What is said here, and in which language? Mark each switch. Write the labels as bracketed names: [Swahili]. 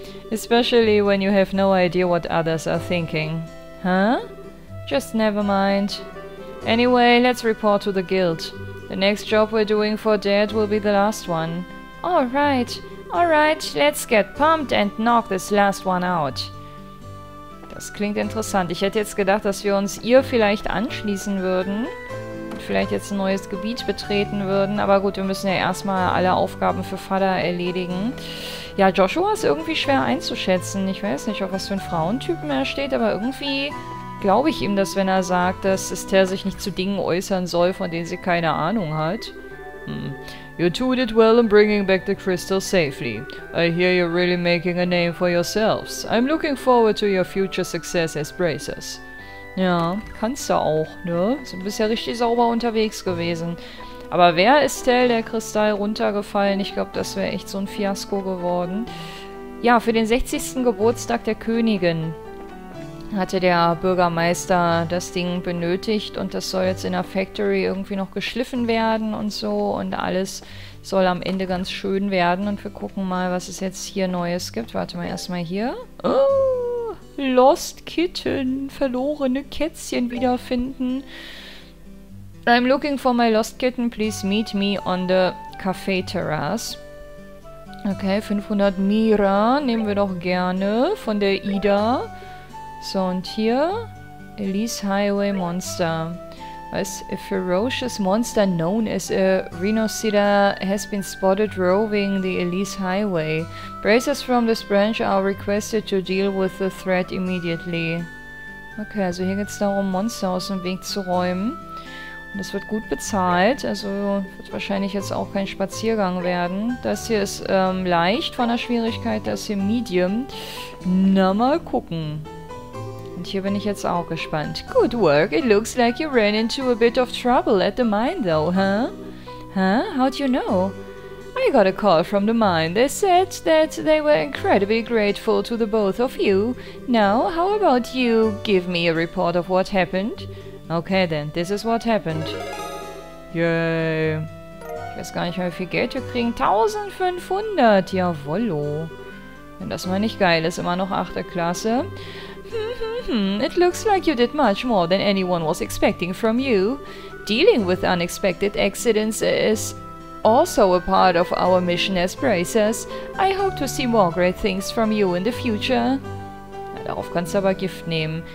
[English] Especially when you have no idea what others are thinking. Huh? Just never mind. Anyway, let's report to the guild. The next job we're doing for Dad will be the last one. Alright. Alright, let's get pumped and knock this last one out. [German] Das klingt interessant. Ich hätte jetzt gedacht, dass wir uns ihr vielleicht anschließen würden. Und vielleicht jetzt ein neues Gebiet betreten würden. Aber gut, wir müssen ja erstmal alle Aufgaben für Vater erledigen. Ja, Joshua ist irgendwie schwer einzuschätzen. Ich weiß nicht, auf was für einen Frauentypen er steht. Aber irgendwie glaube ich ihm das, wenn er sagt, dass Esther sich nicht zu Dingen äußern soll, von denen sie keine Ahnung hat. [English] You two did well in bringing back the crystal safely. I hear you're really making a name for yourselves. I'm looking forward to your future success as bracers. [German] Ja, kannst du auch, ne? Sind bisher richtig sauber unterwegs gewesen. Aber wäre Estelle der Kristall runtergefallen? Ich glaube, das wäre echt so ein Fiasko geworden. Ja, für den 60. Geburtstag der Königin hatte der Bürgermeister das Ding benötigt und das soll jetzt in der Factory irgendwie noch geschliffen werden und so und alles soll am Ende ganz schön werden und wir gucken mal, was es jetzt hier Neues gibt. Warte mal, erstmal hier. Oh, Lost Kitten, verlorene Kätzchen wiederfinden. [English] I'm looking for my lost kitten, please meet me on the cafe terrace. [German] Okay, 500 Mira nehmen wir doch gerne von der Ida. So, und hier, Elise Highway Monster. Was? [English] A ferocious monster known as a rhinocida has been spotted roving the Elise Highway. Bracers from this branch are requested to deal with the threat immediately. [German] Okay, also hier geht es darum, Monster aus dem Weg zu räumen. Und das wird gut bezahlt, also wird wahrscheinlich jetzt auch kein Spaziergang werden. Das hier ist leicht von der Schwierigkeit, das hier medium. Na, mal gucken. Und hier bin ich jetzt auch gespannt. [English] Good work. It looks like you ran into a bit of trouble at the mine, though, huh? Huh? How'd you know? I got a call from the mine. They said that they were incredibly grateful to the both of you. Now, how about you give me a report of what happened? Okay then, this is what happened. Yay. [German] Ich weiß gar nicht mehr, wie viel Geld wir kriegen. 1500, jawollo. Wenn das mal nicht geil ist, immer noch 8. Klasse. [English] It looks like you did much more than anyone was expecting from you. Dealing with unexpected accidents is also a part of our mission as bracers. I hope to see more great things from you in the future. [German] Ja, darauf kannst du aber Gift nehmen.